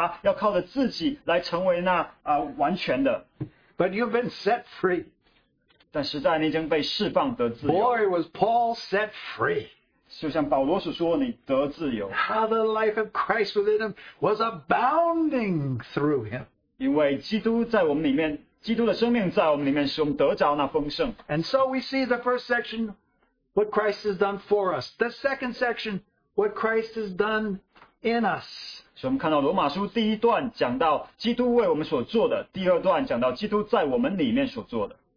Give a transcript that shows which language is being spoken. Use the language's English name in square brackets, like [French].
[Chinese] 实在我们多少的基督徒还在那里挣扎要靠着自己来成为那完全的。 [English] But you've been set free. [Chinese] 但实在你已经被释放得自由。 [English] Boy, was Paul set free. [Chinese] 就像保罗所说你得自由。 [English] How the life of Christ within him was abounding through him. [Chinese] 因为基督在我们里面,基督的生命在我们里面,使我们得着那丰盛。 [English] And so we see the first section, what Christ has done for us. The second section, what Christ has done in us. [Chinese] 所以我们看到罗马书第一段讲到基督为我们所做的,第二段讲到基督在我们里面所做的。